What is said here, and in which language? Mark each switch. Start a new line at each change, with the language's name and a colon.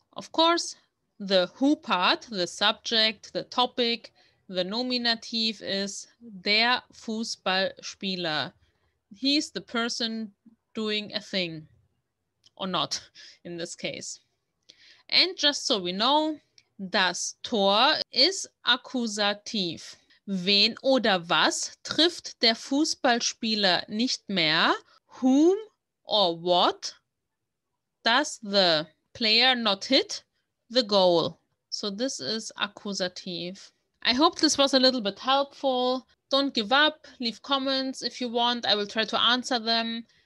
English: Of course, the who part, the subject, the topic, the nominative is
German: der Fußballspieler.
English: He's the person doing a thing, or not in this case. And just so we know,
German: das Tor
English: is accusative.
German: Wen oder was trifft der Fußballspieler nicht mehr?
English: Whom or what does the player not hit the goal? So this is accusative. I hope this was a little bit helpful. Don't give up. Leave comments if you want. I will try to answer them.